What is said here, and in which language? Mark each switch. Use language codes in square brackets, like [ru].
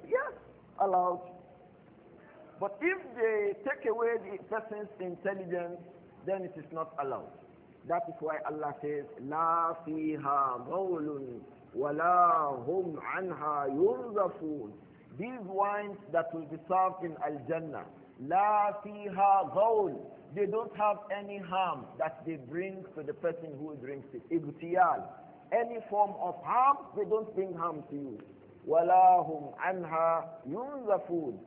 [en] Yes, allowed. But if they take away the person's intelligence, then it is not allowed. That is why Allah says, [ar] لَا فِيهَا غَوْلٌ وَلَا هُمْ عَنْهَا يُنْزَفُونَ. [en] These wines that will be served in Al-Jannah, [ar] لَا فِيهَا غَوْلٌ, [en] they don't have any harm that they bring to the person who drinks it. Ibtiyal. Any form of harm, they don't bring harm to you. [ar] وَلَا هُمْ عَنْهَا يُنْزَفُونَ.